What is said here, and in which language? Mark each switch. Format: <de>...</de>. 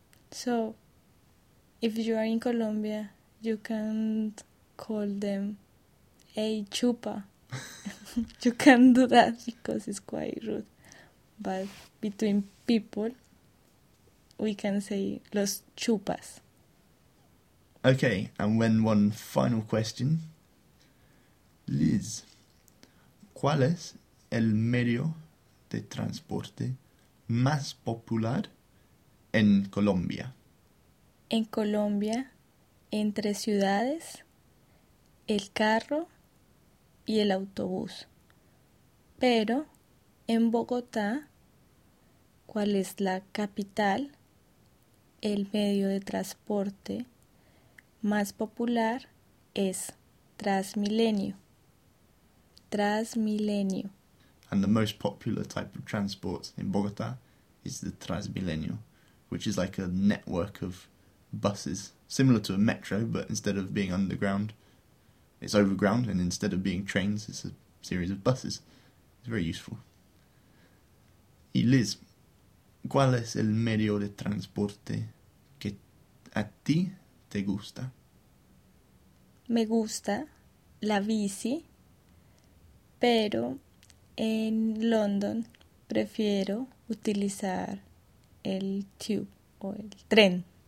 <en>So, if you are in Colombia, you can call them a chupa. You can do that because it's quite rude. But between people, we can say los chupas. Okay, and when one final question.</en> <es>Liz, ¿cuál es el medio de transporte más popular en Colombia? En Colombia, entre ciudades, el carro y el autobús. Pero en Bogotá, ¿cuál es la capital? El medio de transporte más popular es Transmilenio. Transmilenio.</es> <en>And the most popular type of transport in Bogotá is the Transmilenio, which is like a network of buses, similar to a metro, but instead of being underground, it's overground, and instead of being trains, it's a series of buses. It's very useful.</en> <es>Y Liz, ¿cuál es el medio de transporte que a ti te gusta? Me gusta la bici, pero en London prefiero utilizar el tube o el tren.</es>